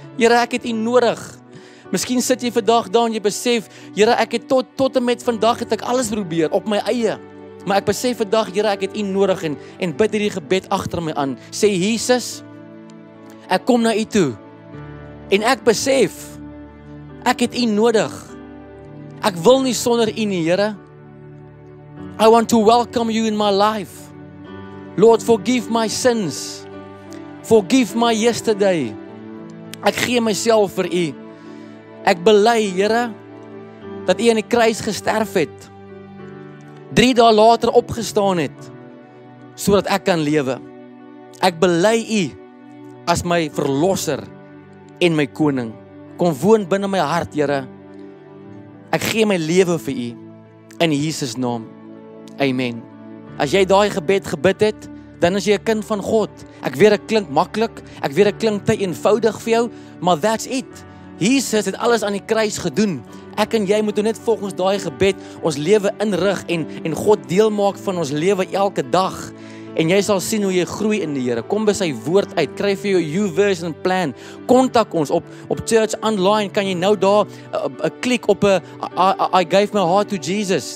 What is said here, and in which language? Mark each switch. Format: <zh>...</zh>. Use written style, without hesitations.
<af>Here, ek het U nodig. Miskien sit jy vandag daar en jy besef, Here, ek het tot en met vandag het ek alles probeer op my eie. Maar ek besef vandag, Here, ek het U nodig en bid hierdie gebed agter my aan. Sê, Jesus, ek kom na U toe. En ek besef, ek het U nodig. Ek wil nie sonder U nie, Here.</af> <en>I want to welcome you in my life. Lord, forgive my sins. Forgive my yesterday.</en> <af>Ek gee myself vir U. Ek bely, Here, dat U aan die kruis gesterf het. 3 dae later opgestaan het sodat ek kan lewe. Ek bely U as my verlosser en my koning. Kom woon binne my hart, Here. Ek gee my lewe vir U in Jesus naam. Amen. As jy daai gebed gebid het, dan is jy 'n kind van God. Ek weet dit klink maklik, ek weet dit klink te eenvoudig vir jou, maar</af> <en>that's it.</en> <af>Jesus het alles aan die kruis gedoen. Ek en jy moet net volgens daai gebed ons lewe inrig en God deel maak van ons lewe elke dag. En jy sal sien hoe jy groei in die Here. Kom by sy woord uit. Kry vir jou YouVersion plan. Kontak ons op Church Online. Kan jy nou daar klik op 'n</af> <en>I gave my heart to Jesus.</en>